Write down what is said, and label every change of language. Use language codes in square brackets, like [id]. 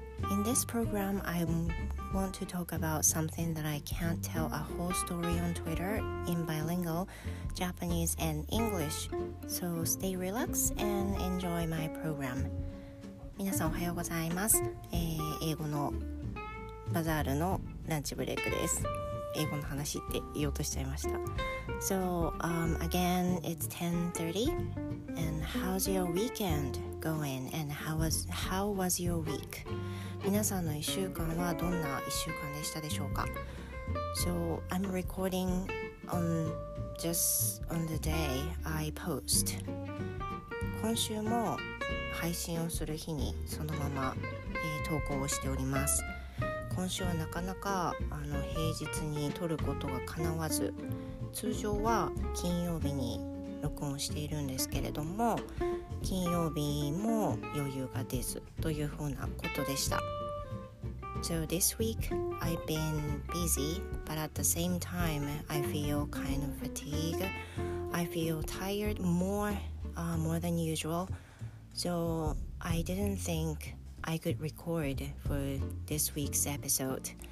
[en] In this program, I want to talk about something that I can't tell a whole story on Twitter in bilingual, Japanese and English. So stay relaxed and enjoy my program. [ja] 皆さんおはようございます。英語のバザールのランチブレイクです。英語の話って言おうとしちゃいました。 [en] So, again, it's 10:30. And how's your weekend going? And how was your week? [ja] 皆さんの1週間はどんな1週間でしたでしょうか? [en] So, I'm recording on the day I post. [ja] 今週も配信をする日にそのまま、投稿をしております。今週はなかなか平日に撮ることがかなわず、通常は金曜日に録音しているんですけれども、金曜日も余裕が出ずというふうなことでした。 [en] So this week I've been busy, but at the same time I feel kind of fatigued. I feel tired more than usual. So I didn't think. I could record for this week's episode.